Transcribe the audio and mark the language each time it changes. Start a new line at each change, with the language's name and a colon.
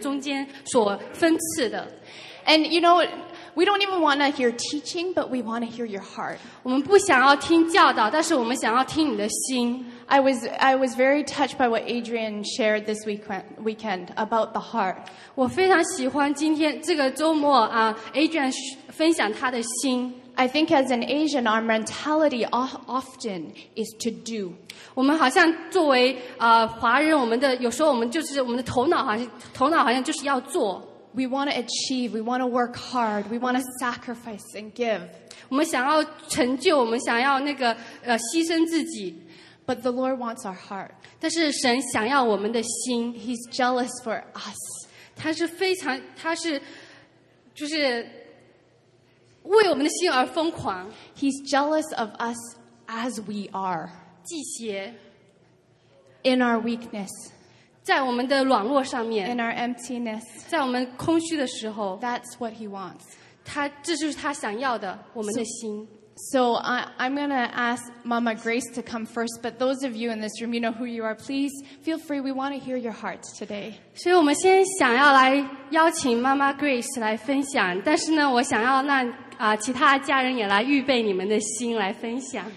Chinese: 我们很想要神在你们中间所分赐的.
English: And you know, we don't even want to hear teaching, but we want to hear your heart.
Chinese: 我们不想要听教导, 但是我们想要听你的心.
English: I was very touched by what Adrian shared this weekend about the heart.
Chinese: 我非常喜欢今天这个周末, Adrian 分享他的心.
English: I think as an Asian, our mentality often is to do.
Chinese: 我们好像作为, 华人, 我们的, 有时候我们就是, 我们的头脑好像就是要做。
English: We want to achieve, we want to work hard, we want to sacrifice and give.
Chinese: 我们想要成就, 我们想要那个, 牺牲自己。
English: But the Lord wants our heart.
Chinese: 但是神想要我们的心,
English: He's jealous for us.
Chinese: 他是非常, 他是, 就是, 为我们的心而疯狂.
English: He's jealous of us as we are. 祭邪, in our weakness.
Chinese: 在我们的软弱上面,
English: in our emptiness.
Chinese: 在我们空虚的时候,
English: that's what He wants.
Chinese: 他, 这就是他想要的, 我们的心。
English: So I'm going to ask Mama Grace to come first, but those of you in this room, you know who you are. Please feel free. We want to hear your hearts today.
Chinese: 所以我们先想要来邀请Mama Grace来分享, 但是呢,我想要让 其他家人也来预备你们的心来分享.